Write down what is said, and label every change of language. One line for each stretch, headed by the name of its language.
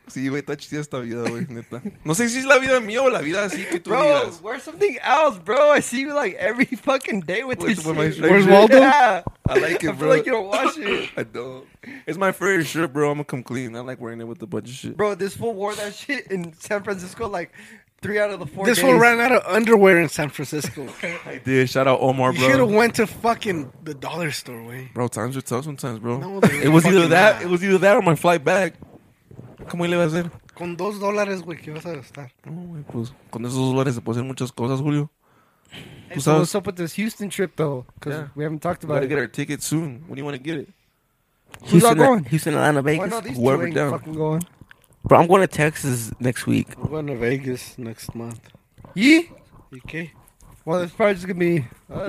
Spanish: Sí, güey, está chida esta vida, güey, neta. No sé si es la vida mía o la vida así que tú
English: bro,
Spanish: digas.
English: Bro, wear something else, bro. I see you like every fucking day with this shirt. Where's Waldo? Yeah. I like it, bro. I feel like you don't wash it. I don't. It's my favorite shirt, bro. I'm gonna come clean. I like wearing it with a bunch of shit. Bro, this fool wore that shit in San Francisco like three out of the four this days. This one ran out of underwear in San Francisco. I did. Shout out Omar, bro. You should have went to fucking the dollar store, way. Bro, times are tough sometimes, bro. No, it was either that. It was either that or my flight back.
Spanish: ¿Cómo le vas a hacer? Con $2, güey, ¿qué vas a gastar? Con esos $2 se puede hacer muchas cosas, Julio.
English: Hey, so what's up with this Houston trip, though? Because yeah. We haven't talked about it. We gotta get our ticket soon. When do you want to get it? Who's all going? Houston, Atlanta, Vegas. Why not these two ain't fucking going? Bro, I'm going to Texas next week. I'm going to Vegas next month. Yeah? Okay. Well, it's probably just going to be